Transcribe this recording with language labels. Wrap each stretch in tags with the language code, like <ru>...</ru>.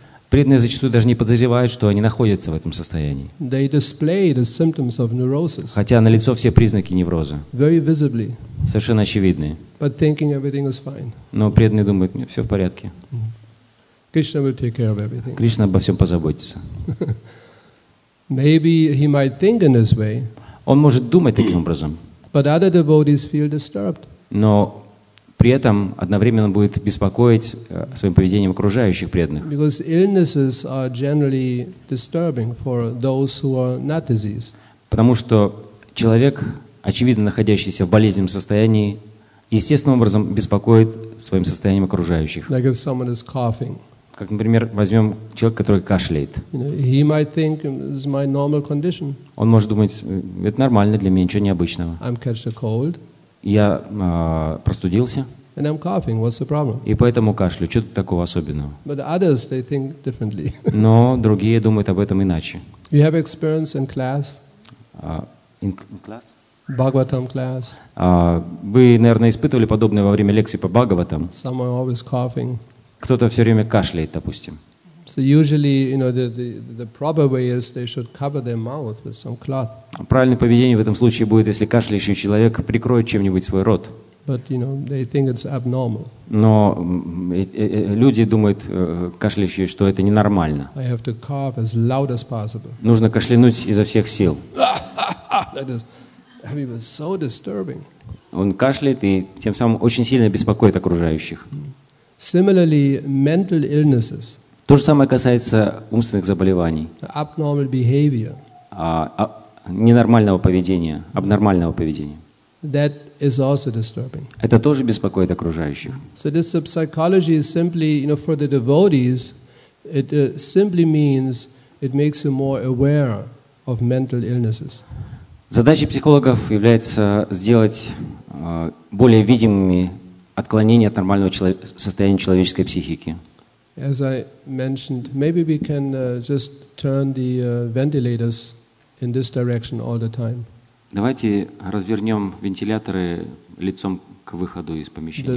<ru>Преданные зачастую даже не подозревают, что они находятся в этом состоянии.</ru> <en>They display the symptoms of neurosis.</en> <ru>Хотя налицо все признаки невроза.</ru> <en>Very visibly.</en> <ru>Совершенно очевидные.</ru> <en>But thinking everything is fine.</en> <ru>Но преданные думают, нет, все в порядке.</ru> <en>Krishna will take care of everything.</en> <ru>Кришна обо всем позаботится.</ru> <en>Maybe he might think in this way.</en> <ru>Он может думать таким образом.</ru> <en>But other devotees feel disturbed.</en> <ru>Но при этом одновременно будет беспокоить своим поведением окружающих преданных.</ru> <en>Because illnesses are generally disturbing for those who are not diseased.</en> <ru>Потому что человек, очевидно находящийся в болезненном состоянии, естественным образом беспокоит своим состоянием окружающих.</ru> <en>Like if someone is coughing.</en> <ru>Как, например, возьмем человека, который кашляет.</ru> <en>He might think it's my normal condition.</en> <ru>Он может думать, это нормально для меня, ничего необычного.</ru> <en>I'm catch a cold.</en> <ru>Я простудился.</ru> <en>And I'm coughing. What's the problem?</en> <ru>И поэтому кашляю. Что тут такого особенного?</ru> <en>But others, they think differently.</en> <ru>Но другие думают об этом иначе.</ru> <en>You have experience in class? In class? Bhagavatam class.</en> <ru>Вы, наверное, испытывали подобное во время лекции по Бхагаватам?</ru> <en>Someone always coughing.</en> <ru>Кто-то все время кашляет, допустим.</ru> <en>So usually, you know, the proper way is they should cover their mouth with some cloth.</en> <ru>Правильное поведение в этом случае будет, если кашляющий человек прикроет чем-нибудь свой рот.</ru> <en>But you know, they think it's abnormal.</en> <ru>Но люди думают, кашляющие, что это ненормально.</ru> <en>I have to cough as loud as possible.</en> <ru>Нужно кашлянуть изо всех сил.</ru> <en>That is so disturbing.</en> <ru>Он кашляет и тем самым очень сильно беспокоит окружающих.</ru> <en>Similarly, mental illnesses.</en> <ru>То же самое касается умственных заболеваний.</ru> <en>Abnormal behavior.</en> <ru>Ненормального поведения, абнормального поведения.</ru> <en>That is also disturbing.</en> <ru>Это тоже беспокоит окружающих.</ru> <en>So this psychology is simply, you know, for the devotees, it simply means it makes you more aware of mental illnesses.</en> <ru>Задача психологов является сделать более видимыми отклонение от нормального состояния человеческой психики.</ru> <en>As I mentioned, maybe we can just turn the ventilators in this direction all the time.</en> <ru>Давайте развернем вентиляторы лицом к выходу из помещения.</ru>